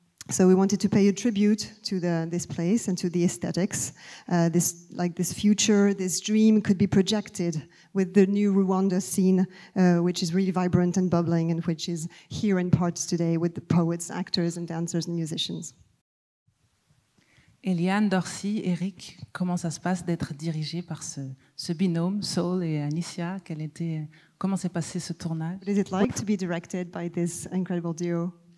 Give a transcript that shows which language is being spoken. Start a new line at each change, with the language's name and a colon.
English: So we wanted to pay a tribute to this place and to the aesthetics. This future, this dream could be projected with the new Rwanda scene, which is really vibrant and bubbling, and which is here in parts today with the poets, actors, and dancers and musicians.
French: Eliane, Dorcy, Eric, comment ça se passe d'être dirigé par ce binôme, Saul et Anicia? Comment s'est passé ce tournage?
English: What is it like to be directed by this incredible duo?